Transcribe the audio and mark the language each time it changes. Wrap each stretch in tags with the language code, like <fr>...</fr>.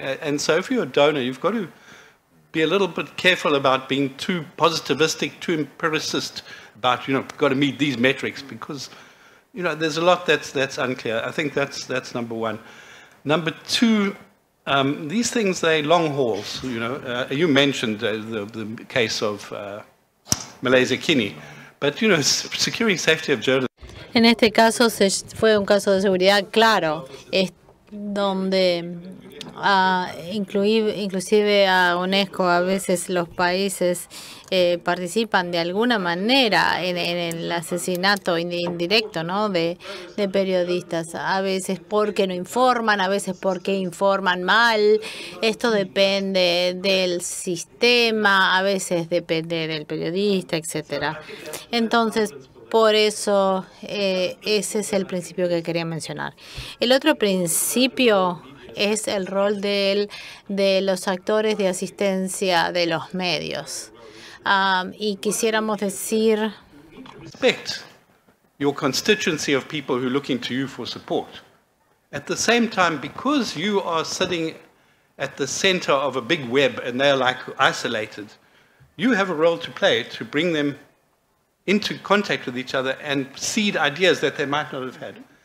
<en>And so if you're a donor, you've got to be a little bit careful about being too positivistic, too empiricist about, you know, got to meet these metrics, because, you know, there's a lot that's unclear. I think that's number one. Number two, these things, they long hauls, you know. You mentioned the case of Malaysia Kini, but, you know, securing safety of journalists.</en> <es>En este caso fue un caso de seguridad, claro, es donde inclusive a UNESCO, a veces los países participan de alguna manera en el asesinato indirecto, ¿no? de periodistas, a veces porque no informan, a veces porque informan mal. Esto depende del sistema, a veces depende del periodista, etcétera. Entonces, por eso, ese es el principio que quería mencionar. El otro principio es el rol de los actores de asistencia de los medios. Y quisiéramos decir,</es> <en>respect your constituency of people who are looking to you for support. At the same time, because you are sitting at the center of a big web and they are like isolated, you have a role to play to bring them into contact with each other and seed ideas that they might not have had.</en>